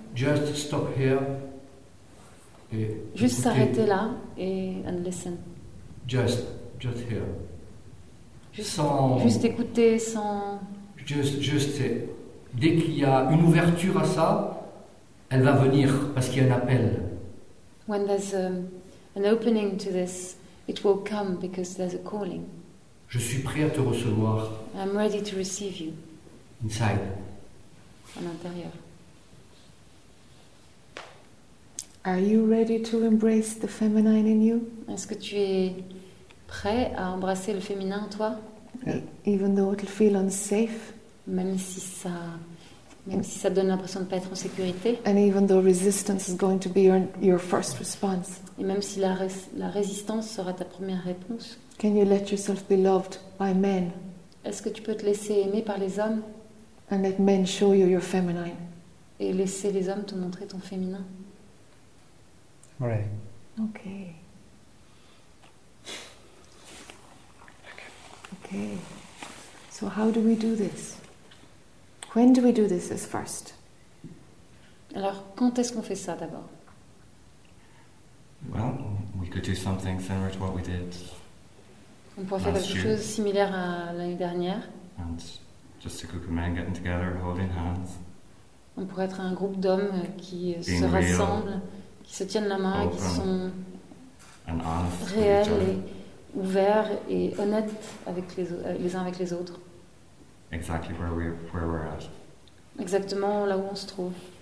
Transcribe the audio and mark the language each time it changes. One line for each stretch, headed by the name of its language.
English: Just stop here. Et
French: juste s'arrêter là et
English: and listen. Just here.
French: Juste écouter sans.
English: Just here.
French: Dès qu'il y a une ouverture à ça, elle va venir parce qu'il y a un appel.
English: When there's an opening to this, it will come because there's a calling.
French: Je suis prêt à te recevoir.
English: I'm ready to receive you. Inside.
French: En intérieur.
English: Are you ready to embrace the feminine in you?
French: Est-ce que tu es prêt à embrasser le féminin en toi?
English: Even though it'll feel unsafe.
French: Même si ça donne l'impression de ne pas être en sécurité.
English: And even though resistance is going to be your first response.
French: Et même si la résistance sera ta première réponse.
English: Can you let yourself be loved by men?
French: Est-ce que tu peux te laisser aimer par les hommes?
English: And let men show you your feminine.
French: Et laisser les hommes te montrer ton féminin.
English: Right. Okay. Okay. So how do we do this? When do we do this as first?
French: Alors, quand est-ce qu'on fait ça d'abord?
English: Well, we could do something similar to what we did.
French: On pourrait faire quelque chose similaire à l'année dernière.
English: And just a group of men getting together, holding hands.
French: On pourrait être un groupe d'hommes qui se rassemblent, qui se tiennent la main, qui sont réels et ouverts et honnêtes avec les uns avec les autres.
English: Exactly where we're at.
French: Exactement là où on se trouve.